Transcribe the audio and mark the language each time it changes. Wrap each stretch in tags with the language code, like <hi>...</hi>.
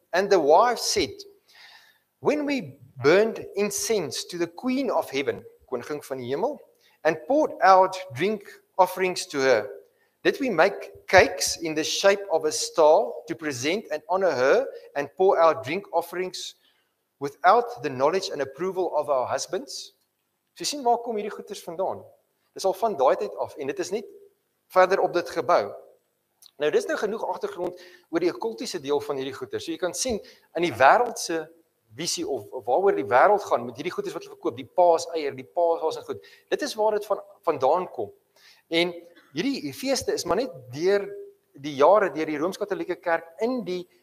<en>And the wife said, when we burned incense to the queen of heaven,</en> <af>koningin van die hemel,</af> <en>and poured out drink offerings to her, did we make cakes in the shape of a star to present and honor her and pour out drink offerings without the knowledge and approval of our husbands?</en> <af>So sien, waar kom hierdie goeders vandaan? Dis al van daai tyd af, en dit is net verder op dit gebou. Nou, dis nou genoeg agtergrond oor die okkultiese deel van hierdie goeders. So jy kan sien, in die wêreldse visie, of waaroor die wêreld gaan, met hierdie goeders wat hulle verkoop, die paaseier, die paashaas en goed, dit is waar dit vandaan kom. En hierdie feeste is maar net deur die jare, deur die Rooms-Katolieke Kerk, in die</af>